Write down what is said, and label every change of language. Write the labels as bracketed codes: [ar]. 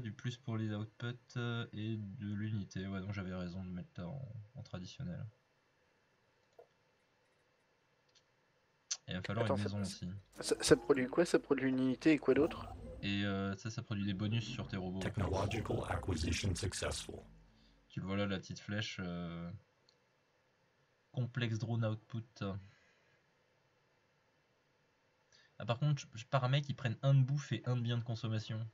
[fr] Du plus pour les outputs et de l'unité. Ouais, donc j'avais raison de mettre ça en traditionnel. Et il va falloir. Attends, une maison aussi. Ça produit quoi? Ça produit une unité et quoi d'autre? Et ça produit des bonus sur tes robots. [en] Technological acquisition successful. [fr] Tu le vois là, la petite flèche. [en] Complex drone output. [fr] Ah, par contre, je paramètre qu'ils prennent un de bouffe et un de bien de consommation.